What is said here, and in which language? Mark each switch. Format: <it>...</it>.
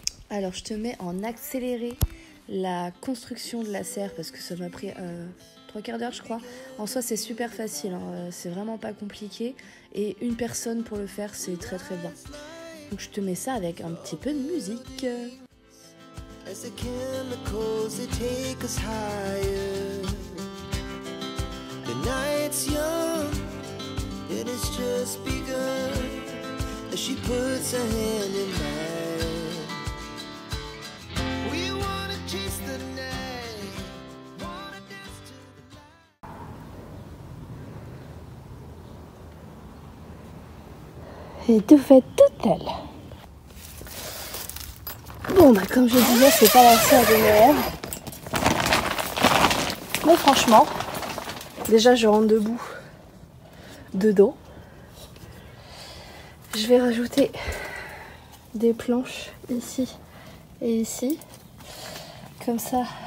<fr>Alors, je te mets en accéléré la construction de la serre parce que ça m'a pris trois quarts d'heure, je crois. En soi, c'est super facile, hein. C'est vraiment pas compliqué. Et une personne pour le faire, c'est très très bien. Donc je te mets ça avec un petit peu de musique.</fr> <en>As the chemicals they take us higher. The night's young, it has just begun. As she puts her hand in mine. We wanna chase the night. Wanna dance to the light.</en> <fr>Et tout fait tout seul. Bon bah comme je disais, c'est pas la serre de mes rêves. Mais franchement, déjà je rentre debout dedans. Je vais rajouter des planches ici et ici. Comme ça.</fr>